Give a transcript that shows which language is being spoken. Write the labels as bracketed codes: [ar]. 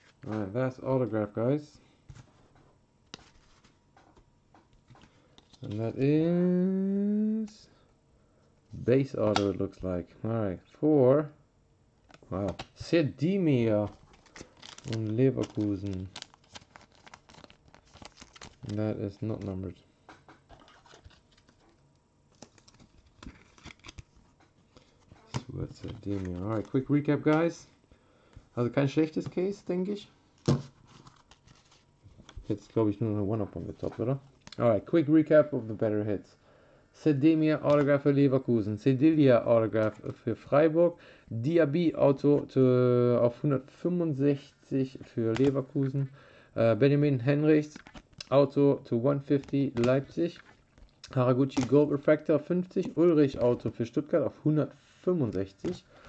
[en] Alright, that's autograph, guys. And that is Base Auto, it looks like. Alright, 4. Wow. [de] Sedimia und Leverkusen. [en] And that is not numbered. So what's Sedimia? Alright, quick recap, guys. [de] Also kein schlechtes Case, denke ich. Jetzt glaube ich nur noch [en] one up on the top, [de] oder? [en] Alright, quick recap of the better hits. [de] Sedemia Autograph für Leverkusen. Sedilia Autograph für Freiburg. Diaby Auto auf 165 für Leverkusen. [en] Benjamin Henrichs Auto to 150 Leipzig. [de] Haraguchi Gold Refractor 50. Ulrich Auto für Stuttgart auf 165.